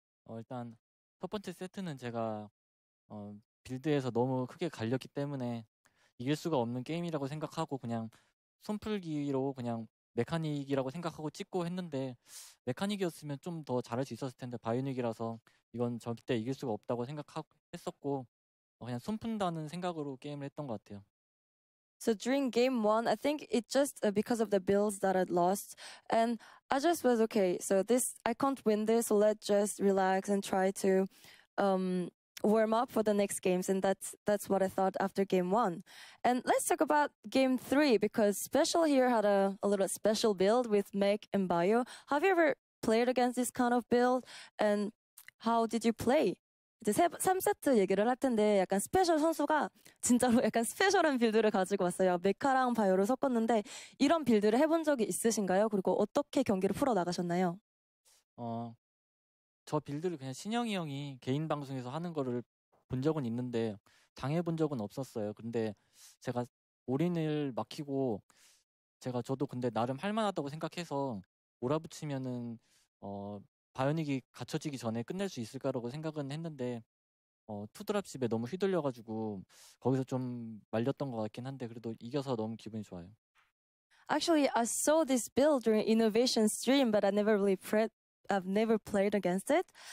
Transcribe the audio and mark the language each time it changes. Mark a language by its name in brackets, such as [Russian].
[Korean] 일단 첫 번째 세트는 제가 빌드에서 너무 크게 갈렸기 때문에 이길 수가 없는 게임이라고 생각하고 그냥 손풀기로 그냥 메카닉이라고 생각하고 찍고 했는데 메카닉이었으면 좀 더 잘할 수 있었을 텐데 바이오닉이라서 이건 절대 이길 수가 없다고 생각했었고 그냥 손푼다는 생각으로 게임을 했던 것 같아요. [English] So during game one, I think it just because of the builds that I'd lost, and I just was okay. So this, I can't win this. So let's just relax and try to warm up for the next games. And that's what I thought after game one. And let's talk about game three, because Special here had a little special build with Mech and Bio. Have you ever played against this kind of build? And how did you play? [Korean] 이제 3세트 얘기를 할 텐데 약간 스페셜 선수가 진짜로 약간 스페셜한 빌드를 가지고 왔어요. 메카랑 바이오를 섞었는데 이런 빌드를 해본 적이 있으신가요? 그리고 어떻게 경기를 풀어나가셨나요? 저 빌드를 그냥 신영이 형이 개인 방송에서 하는 거를 본 적은 있는데 당해본 적은 없었어요. 근데 제가 올인을 막히고 저도 근데 나름 할 만하다고 생각해서 몰아붙이면은 바이오닉이 갇혀지기 전에 끝낼 수 있을까라고 생각은 했는데 투드랍십에 너무 휘둘려가지고 거기서 좀 말렸던 것 같긴 한데 그래도 이겨서 너무 기분이 좋아요. [English] Actually, I saw this build during Innovation stream, but I never really I've never played against it.